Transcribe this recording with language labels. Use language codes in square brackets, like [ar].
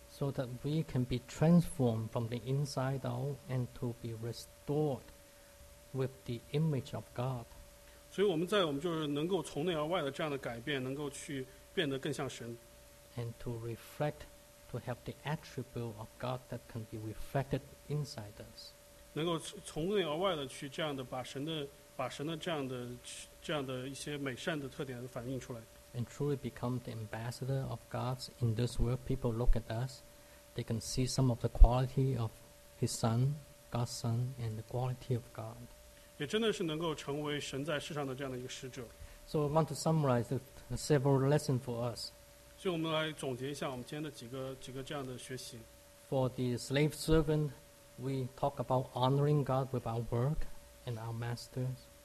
[en] So that we can be transformed from the inside out and to be restored with the image of God. [zh] 所以我们就是能够从内而外的这样的改变，能够去变得更像神。 [en] And to reflect, to have the attribute of God that can be reflected inside us. [zh] 能够从内而外的去这样的把神的这样的一些美善的特点反映出来。 [en] And truly become the ambassador of God in this world. People look at us, they can see some of the quality of His Son, God's Son, and the quality of God. [zh] 也真的是能够成为神在世上的这样的一个使者。 [en] So I want to summarize the several lessons for us. [zh] 就我们来总结一下我们今天的几个这样的学习。 [en] For the slave servant, we talk about honoring God with our work and our masters.